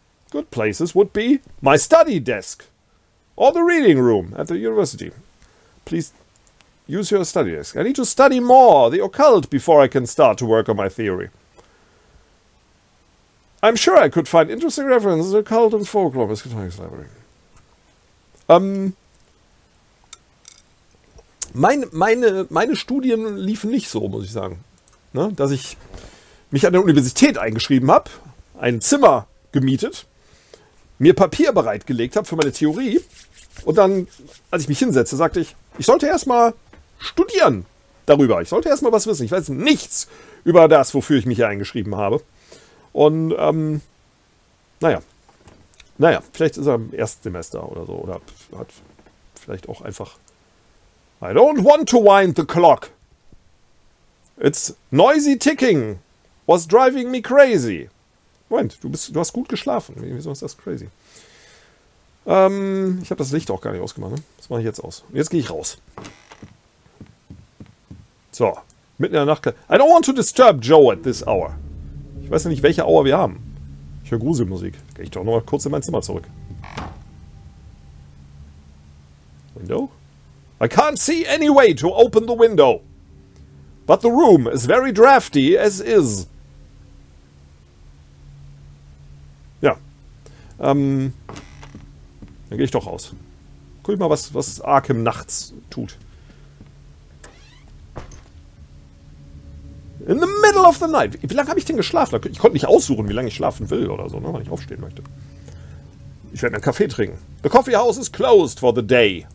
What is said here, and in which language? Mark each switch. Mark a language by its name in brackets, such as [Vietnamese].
[English] Good places would be my study desk or the reading room at the university. Please use your study desk. I need to study more the occult before I can start to work on my theory. I'm sure I could find interesting references to occult and folklore in the library. [German] Meine Studien liefen nicht so, muss ich sagen. Ne? Dass ich mich an der Universität eingeschrieben habe, ein Zimmer gemietet, mir Papier bereitgelegt habe für meine Theorie und dann, als ich mich hinsetzte, sagte ich, ich sollte erstmal studieren darüber. Ich sollte erstmal was wissen. Ich weiß nichts über das, wofür ich mich hier eingeschrieben habe. Und, naja, vielleicht ist er im Erstsemester oder so. Oder hat vielleicht auch einfach... [English] I don't want to wind the clock. It's noisy ticking. Was driving me crazy. [German] Moment, du hast gut geschlafen. Wieso ist das crazy? Ich habe das Licht auch gar nicht ausgemacht. Ne? Das mache ich jetzt aus. Und jetzt gehe ich raus. So, mitten in der Nacht. [English] I don't want to disturb Joe at this hour. [German] Ich weiß ja nicht, welche Hour wir haben. Ich höre Gruselmusik. Gehe ich doch noch mal kurz in mein Zimmer zurück. [English] Window? I can't see any way to open the window. But the room is very drafty as is. [German] Ja. Dann gehe ich doch raus. Guck ich mal, was Arkham nachts tut. [English] In the middle of the night. [German] Wie lange habe ich denn geschlafen? Ich konnte nicht aussuchen, wie lange ich schlafen will oder so, ne, wenn ich aufstehen möchte. Ich werde mir einen Kaffee trinken. [English] The coffee house is closed for the day.